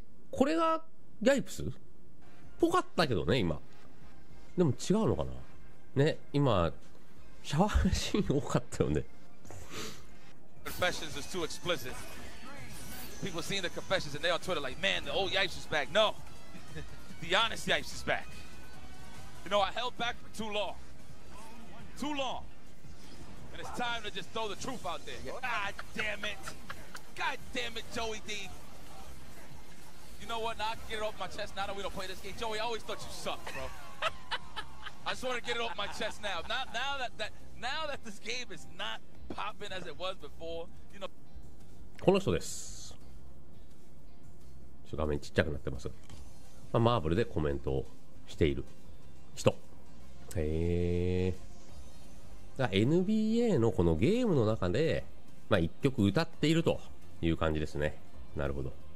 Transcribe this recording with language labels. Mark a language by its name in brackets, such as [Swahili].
[Japanese] これがヤイプスぽかったけどね、今。でも違うのかな。ね、今シャワーシーン多かったよね。 [English] Confessions is too explicit. People seeing the confessions and they on Twitter like, man, the old Yipes is back. No, the honest Yipes is back. You know, I held back for too long, too long, and it's time to just throw the truth out there. God damn it, God damn it, Joey D. You know what? Now I can get it off my chest now that we don't play this game. Joey, I always thought you sucked, bro. I just want to get it off my chest now. Now that this game is not popping as it was before, you know. [Japanese] この人です。ちょ、画面ちっちゃくなってます。マーブルでコメントをしている人。へえ。 NBA のこのゲームの中で、一曲歌っているという感じですね。なるほど。